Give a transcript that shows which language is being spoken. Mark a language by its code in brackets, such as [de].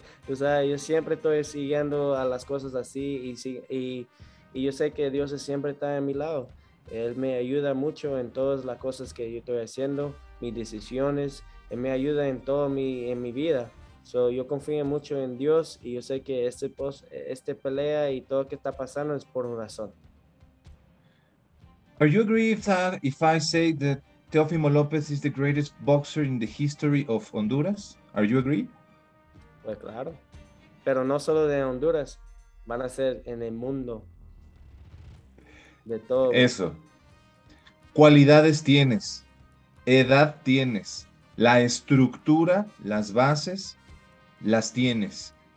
[es] O sea, yo siempre estoy siguiendo a las cosas así, y yo sé que Dios siempre está en mi lado. Él me ayuda mucho en todas las cosas que yo estoy haciendo, mis decisiones, Él me ayuda en todo en mi vida. So, yo confío mucho en Dios y yo sé que este pelea y todo lo que está pasando es por una razón. [en] Are you agree that if I say that Teofimo López is the greatest boxer in the history of Honduras? Are you agree? [es] Pues claro, pero no solo de Honduras, van a ser en el mundo. De todo. Eso. Cualidades tienes, edad tienes, la estructura, las bases, las tienes.